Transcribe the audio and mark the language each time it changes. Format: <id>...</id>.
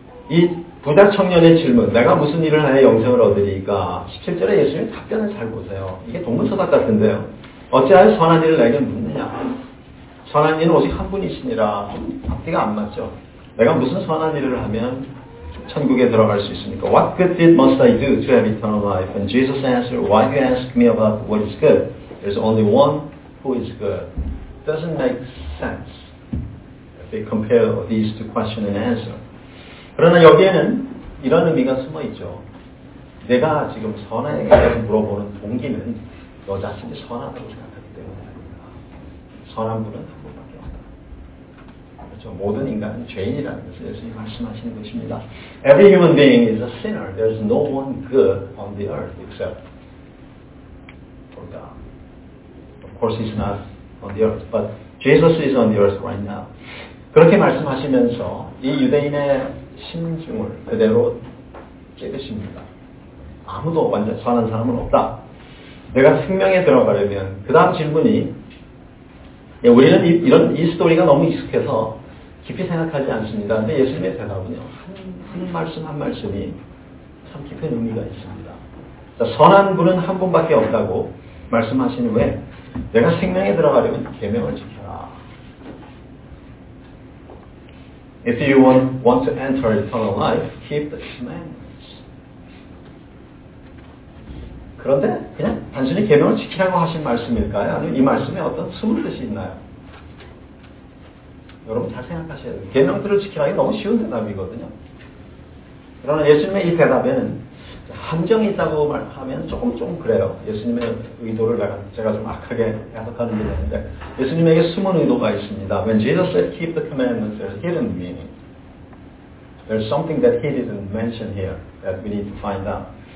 <ko>이 부자 청년의 질문, 내가 무슨 일을 하여 영생을 얻으리까? 17절에 예수님의 답변을 잘 보세요. 이게 동문서답 같은데요. 어찌하여 선한 일을 내게 묻느냐? 선한 일은 오직 한 분이시니라. 앞뒤가 안 맞죠. 내가 무슨 선한 일을 하면 천국에 들어갈 수 있습니까?</ko> <en>What good deed must I do to have eternal life? And Jesus answered, Why do you ask me about what is good? There's only one who is good. Doesn't make sense if they compare these two question and answer.</en> <ko>그러나 여기에는 이런 의미가 숨어있죠. 내가 지금 선하게 물어보는 동기는 너 자신이 선하다고 생각하기 때문에 아닙니다. 선한 분은 한 분밖에 없다. 그렇죠. 모든 인간은 죄인이라는 것을 예수님이 말씀하시는 것입니다.</ko> <en>Every human being is a sinner. There's no one good on the earth except for God. Of course, he's not on the earth, but Jesus is on the earth right now.</en> <ko>그렇게 말씀하시면서 이 유대인의 심중을 그대로 찍으십니다. 아무도 완전 선한 사람은 없다. 내가 생명에 들어가려면 그 다음 질문이 예, 우리는 이런 이 스토리가 너무 익숙해서 깊이 생각하지 않습니다. 근데 예수님의 대답은요 한 말씀 한 말씀이 참 깊은 의미가 있습니다. 자, 선한 분은 한 분밖에 없다고 말씀하신 후에 내가 생명에 들어가려면 계명을 지켜.</ko> <en>If you want to enter eternal life, keep the commandments.</en> <ko>그런데 그냥 단순히 계명을 지키라고 하신 말씀일까요? 아니면 이 말씀에 어떤 숨은 뜻이 있나요? 여러분 잘 생각하셔야 돼요. 계명들을 지키라는 게 너무 쉬운 대답이거든요. 그러나 예수님의 이 대답에는 함정이 있다고 하면 조금 그래요. 예수님의 의도를 제가 좀 악하게 해석하는 게 있는데 예수님에게 숨은 의도가 있습니다.</ko> <en>When Jesus said keep the commandments, there's hidden meaning. There's something that he didn't mention here that we need to find out.</en>